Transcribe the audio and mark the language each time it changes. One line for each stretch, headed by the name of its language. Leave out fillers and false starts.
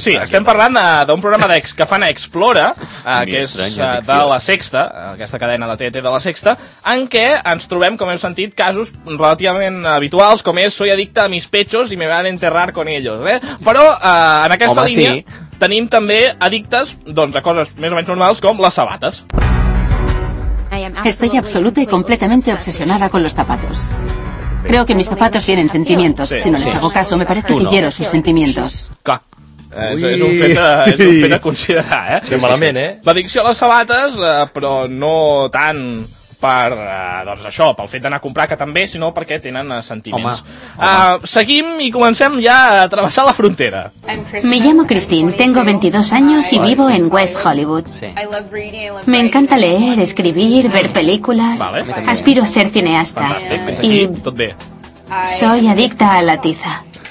Catalan: Sí, estem parlant d'un programa d'ex que fan a Explora, que és de La Sexta, aquesta cadena de TNT de La Sexta, en què ens trobem, com hem sentit, casos relativament habituals, com és Soy adicta a mis pechos y me van a enterrar con ellos. Però en aquesta línia tenim també addictes doncs, a coses més o menys normals com les sabates.
Spanish: Estoy absoluta y completamente obsesionada con los zapatos. Creo que mis zapatos tienen sentimientos. Sí, si no les hago caso, me parece que quiero sus sentimientos.
Catalan: Clar. És un fet a considerar, eh? Sí, malament, eh? L'addicció a les sabates, però no tant per, doncs això, pel fet d'anar a comprar, que també, sinó perquè tenen sentiments. Seguim i comencem ja a travessar la frontera.
Spanish: Me llamo Christine, tengo 22 años y vivo en West Hollywood. Sí. Me encanta leer, escribir, ver películas. Vale. Aspiro a ser cineasta.
Catalan: Fantàstic. I
Spanish: soy adicta a la tiza.